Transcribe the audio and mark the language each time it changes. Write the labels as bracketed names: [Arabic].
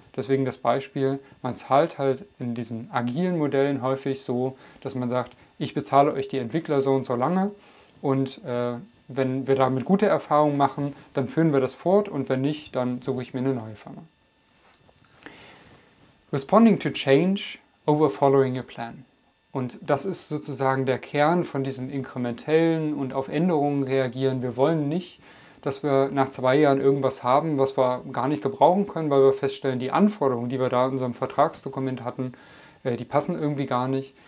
[German] Deswegen das Beispiel, man zahlt halt in diesen agilen Modellen häufig so, dass man sagt, ich bezahle euch die Entwickler so und so lange und wenn wir damit gute Erfahrungen machen, dann führen wir das fort und wenn nicht, dann suche ich mir eine neue Firma. [English] Responding to change over following a plan. [German] Und das ist sozusagen der Kern von diesem inkrementellen und auf Änderungen reagieren. Wir wollen nicht, dass wir nach 2 Jahren irgendwas haben, was wir gar nicht gebrauchen können, weil wir feststellen, die Anforderungen, die wir da in unserem Vertragsdokument hatten, die passen irgendwie gar nicht.